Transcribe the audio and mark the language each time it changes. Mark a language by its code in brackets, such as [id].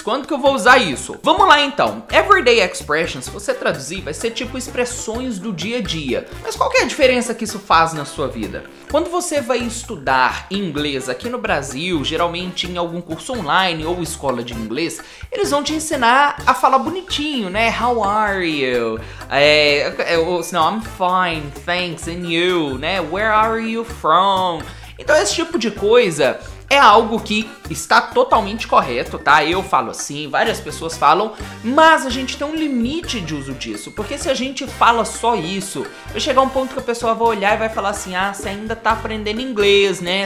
[pt] Quando que eu vou usar isso? Vamos lá então. Everyday expressions, se você traduzir, vai ser tipo expressões do dia a dia. Mas qual que é a diferença que isso faz na sua vida? Quando você vai estudar inglês aqui no Brasil, geralmente em algum curso online ou escola de inglês, eles vão te ensinar a falar bonitinho, né? [en] How are you? I'm fine, thanks, and you, né? Where are you from? [pt] Então esse tipo de coisa é algo que está totalmente correto, tá? Eu falo assim, várias pessoas falam, mas a gente tem um limite de uso disso, porque se a gente fala só isso, vai chegar um ponto que a pessoa vai olhar e vai falar assim, ah, você ainda tá aprendendo inglês, né?